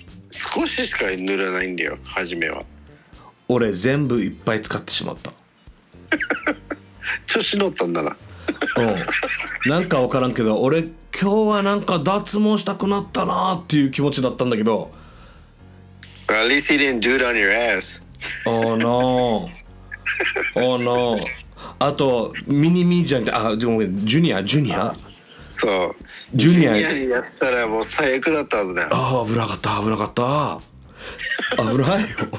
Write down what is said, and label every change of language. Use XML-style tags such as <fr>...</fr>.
<ja>少ししか塗らないんだよ、初めは。俺全部いっぱい使ってしまった。調子乗ったんだな。うん、なんか分からんけど、俺今日はなんか脱毛したくなったなっていう気持ちだったんだけど。</ja> <en>At least he didn't do it on your ass. Oh no. Oh no.</en> <ja>あとミニミーじゃなくて、あ、ジュニア、ジュニアそう、ジュニアにやったらもう最悪だったはずね。あ、危なかった。危ないよ。</ja>